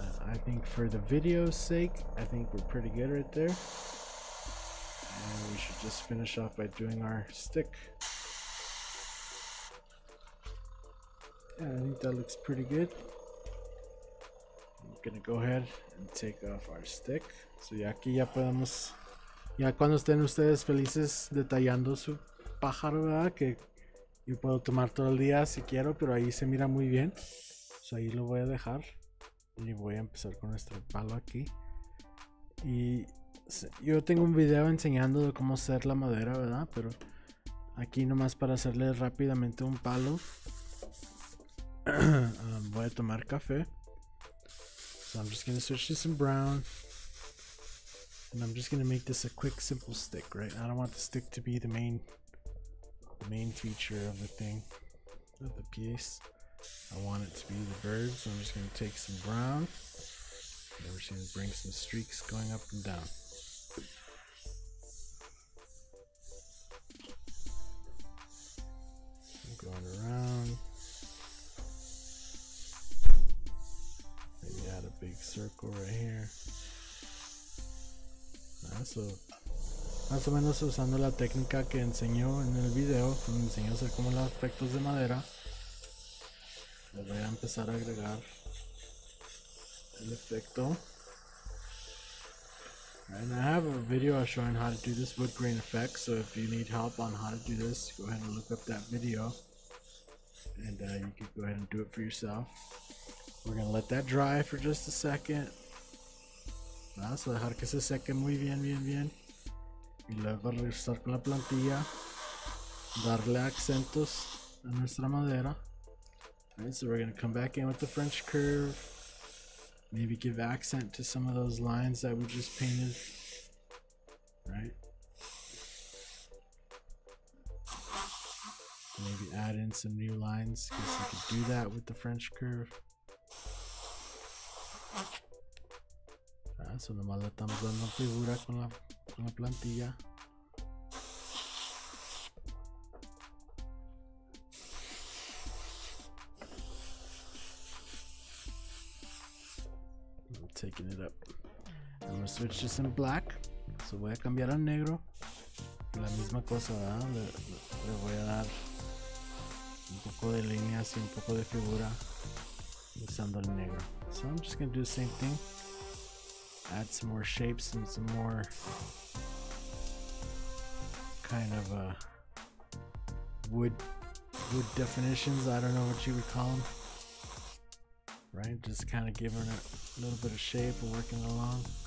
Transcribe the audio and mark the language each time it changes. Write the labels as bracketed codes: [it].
[en] I think for the video's sake, I think we're pretty good right there. And we should just finish off by doing our stick. Yeah, I think that looks pretty good. I'm gonna go ahead and take off our stick. [es] So ya aquí ya podemos, ya cuando estén ustedes felices detallando su pájaro, ¿verdad? Que yo puedo tomar todo el día si quiero, pero ahí se mira muy bien. So ahí lo voy a dejar. Y voy a empezar con nuestro palo aquí. Y yo tengo un video enseñando de cómo hacer la madera, ¿verdad? Pero aquí nomás para hacerle rápidamente un palo. voy a tomar café. [en] So I'm just going to switch to some brown. And I'm just going to make this a quick, simple stick, right? I don't want the stick to be the main feature of the thing, of the piece. I want it to be the bird, so I'm just going to take some brown. And we're just going to bring some streaks going up and down. I'm going around. Maybe add a big circle right here. [es] So, más o menos usando la técnica que enseñó en el video, donde enseñó hacer como los efectos de madera. Le voy a empezar a agregar el efecto. [en] And I have a video showing how to do this wood grain effect, so if you need help on how to do this, go ahead and look up that video. And you can go ahead and do it for yourself. We're going to let that dry for just a second. [es] Vamos a dejar que se seque muy bien, bien, bien. Y luego regresar con la plantilla. Darle acentos a nuestra madera. [en] Alright, so we're going to come back in with the French curve, maybe give accent to some of those lines that we just painted, right? Maybe add in some new lines, because you could do that with the French curve. [es] Alright, so nomás le estamos dando figura con la plantilla. [en] Taking it up. I'm gonna switch to some black. So [es] voy a cambiar a negro. La misma cosa, ¿verdad? Le voy a dar un poco de líneas y un poco de figura usando el negro. [en] So I'm just gonna do the same thing. Add some more shapes and some more kind of wood definitions. I don't know what you would call them. Right, just kind of giving it a little bit of shape and working along.